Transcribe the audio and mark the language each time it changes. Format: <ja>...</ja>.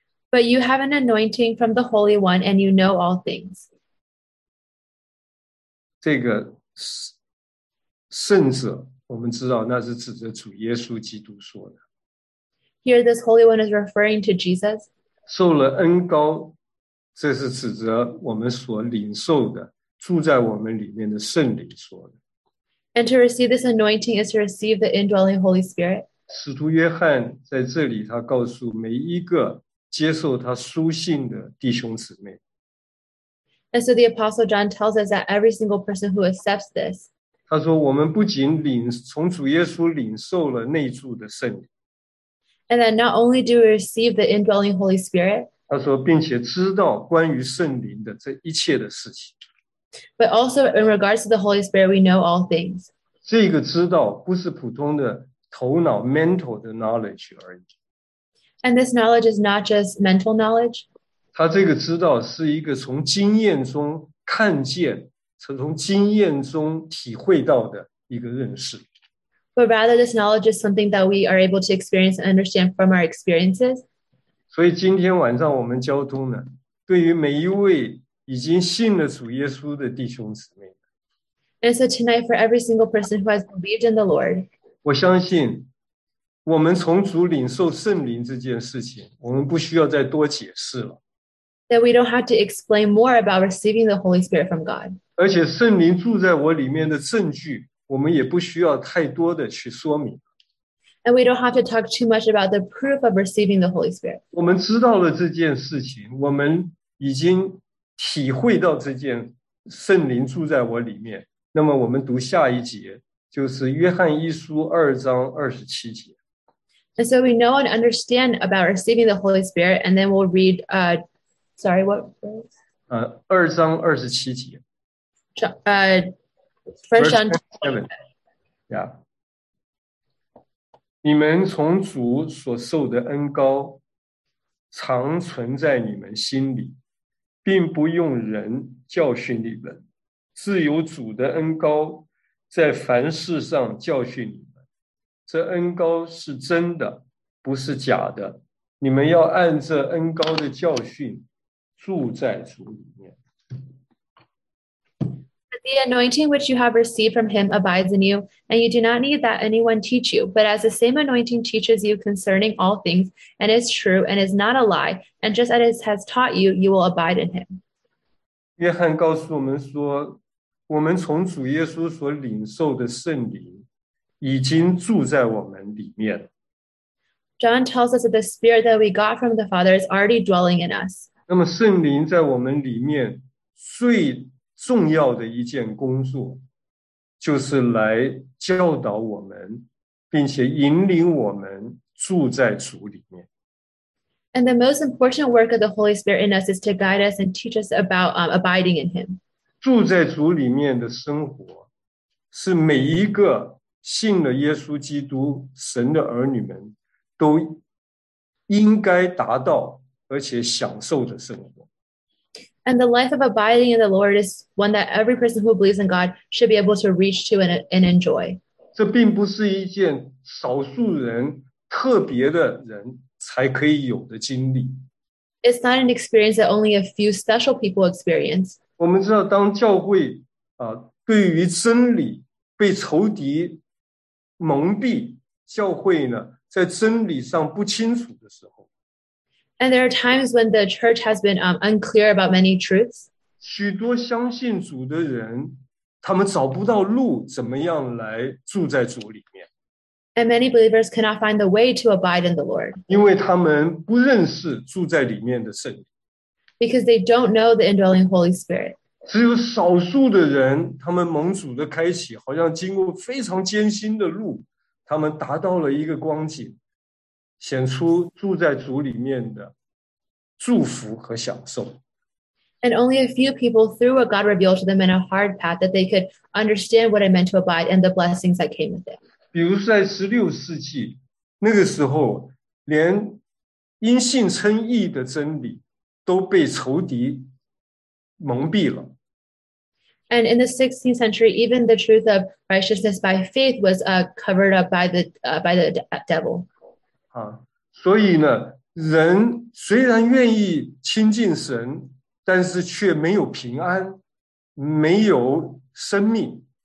<en>But you have an anointing from the Holy One, and you know all things.</en> <zh>这个圣者，我们知道那是指着主耶稣基督说的。</zh> <en>Here, this Holy One is referring to Jesus.</en> <zh>受了恩膏，这是指着我们所领受的，住在我们里面的圣灵说的。</zh> <en>And to receive this anointing is to receive the indwelling Holy Spirit.</en> <zh>使徒约翰在这里他告诉每一个接受他书信的弟兄姊妹。</zh> <en>And so the Apostle John tells us that every single person who accepts this.</en> <zh>他说我们不仅领从主耶稣领受了内住的圣灵。</zh> <en>And that not only do we receive the indwelling Holy Spirit.</en> <zh>他说并且知道关于圣灵的这一切的事情。</zh> <en>But also in regards to the Holy Spirit, we know all things.</en> <zh>这个知道不是普通的头脑 mental 的 knowledge 而已。</zh> <en>And this knowledge is not just mental knowledge.</en> <zh>他这个知道是一个从经验中看见，从经验中体会到的一个认识。</zh> <en>But rather this knowledge is something that we are able to experience and understand from our experiences.</en> <zh>所以今天晚上我们交通呢，对于每一位已经信了主耶稣的弟兄姊妹。</zh> <en>And so tonight, for every single person who has believed in the Lord,</en> <zh>我相信我们从主领受圣灵这件事情，我们不需要再多解释了。</zh> <en>That we don't have to explain more about receiving the Holy Spirit from God.</en> <zh>而且圣灵住在我里面的证据，我们也不需要太多的去说明。</zh> <en>And we don't have to talk too much about the proof of receiving the Holy Spirit.</en> <zh>我们知道了这件事情，我们已经体会到这件圣灵住在我里面，那么我们读下一节，就是约翰一书二章二十七节。</zh> <en>And so we know and understand about receiving the Holy Spirit, and then we'll read, sorry, what verse?</en> <zh>二章二十七节。</zh> <en>First John 7. Yeah.</en> <zh>你们从主所受的恩膏，常存在你们心里。并不用人教训你们，自有主的恩膏在凡事上教训你们。这恩膏是真的，不是假的。你们要按这恩膏的教训住在主里面。</zh> <en>The anointing which you have received from him abides in you, and you do not need that anyone teach you. But as the same anointing teaches you concerning all things, and is true, and is not a lie, and just as it has taught you, you will abide in him.</en> <zh>约翰告诉我们说，我们从主耶稣所领受的圣灵已经住在我们里面。</zh> <en>John tells us that the Spirit that we got from the Father is already dwelling in us.</en> <zh>那么圣灵在我们里面最重要的一件工作，就是来教导我们，并且引领我们住在主里面。</zh> <en>And the most important work of the Holy Spirit in us is to guide us and teach us about abiding in Him.</en> <zh>住在主里面的生活，是每一个信了耶稣基督神的儿女们都应该达到而且享受的生活。</zh> <en>And the life of abiding in the Lord is one that every person who believes in God should be able to reach to and enjoy.</en> <zh>这并不是一件少数人、特别的人才可以有的经历。</zh> <en>It's not an experience that only a few special people experience.</en> <zh>我们知道当教会对于真理被仇敌蒙蔽，教会呢，在真理上不清楚的时候，</zh> <en>And there are times when the church has been unclear about many truths.</en> <zh>许多相信主的人，他们找不到路，怎么样来住在主里面。</zh> <en>And many believers cannot find the way to abide in the Lord.</en> <zh>因为他们不认识住在里面的圣灵。</zh> <en>Because they don't know the indwelling Holy Spirit.</en> <zh>只有少数的人，他们蒙主的开启，好像经过非常艰辛的路，他们达到了一个光景。显出住在主里面的祝福和享受。</zh> <en>And only a few people through what God revealed to them in a hard path that they could understand what it meant to abide and the blessings that came with it.</en> <zh>比如说在16世纪那个时候连因信称义的真理都被仇敌蒙蔽了。</zh> <en>And in the 16th century, even the truth of righteousness by faith was covered up by the devil.</en> <zh>啊，所以呢，人虽然愿意亲近神，但是却没有平安，没有生命。</zh>